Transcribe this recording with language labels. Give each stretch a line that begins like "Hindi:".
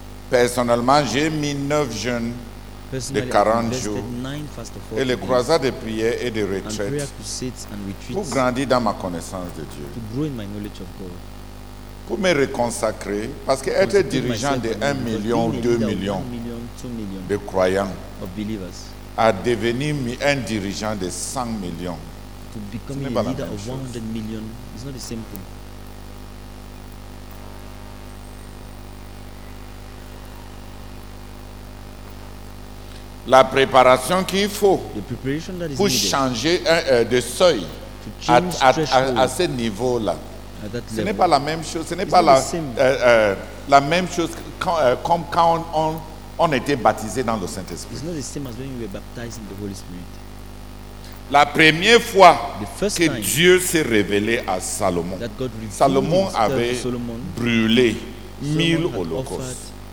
French: Personnellement, j'ai mis 9 jeûnes de 40 jours et les croisades de prière et de retraite pour grandir dans ma connaissance de Dieu, pour me reconsacrer, parce qu'être dirigeant de 1 million ou 2 millions de croyants à devenir un dirigeant de 100 millions.
English: To become a leader of 100 million is not the same thing.
French: La préparation qu'il faut pour changer de seuil à ce niveau-là, ce n'est pas la même chose. Ce n'est pas la même chose comme quand on était baptisé dans le Saint-Esprit.
English: It's not the same as when you were baptized in the Holy Spirit.
French: La première fois que Dieu s'est révélé à Salomon, Salomon avait brûlé 1000 holocaustes.